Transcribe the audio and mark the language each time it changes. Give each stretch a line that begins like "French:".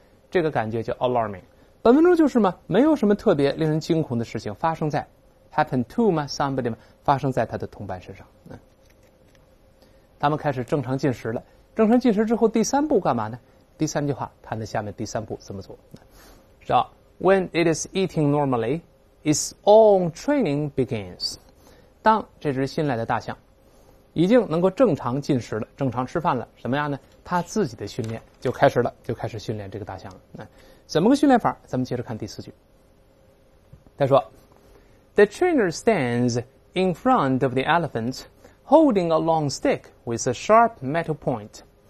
Chinese: 这个感觉叫 alarming。本文中就是嘛，没有什么特别令人惊恐的事情发生在。
English: Happen to
Chinese: 吗 ？Somebody 吗？发生在他的同伴身上。他们开始正常进食了。正常进食之后，第三步干嘛呢？第三句话谈的下面第三步怎么做？是啊
English: ，When it is eating normally, its own training begins。
Chinese: 当这只新来的大象已经能够正常进食了，正常吃饭了，什么样呢？它自己的训练就开始了，就开始训练这个大象了。怎么个训练法？咱们接着看第四句。他说。
English: The trainer stands in front of the elephant, holding a long stick with a sharp metal point.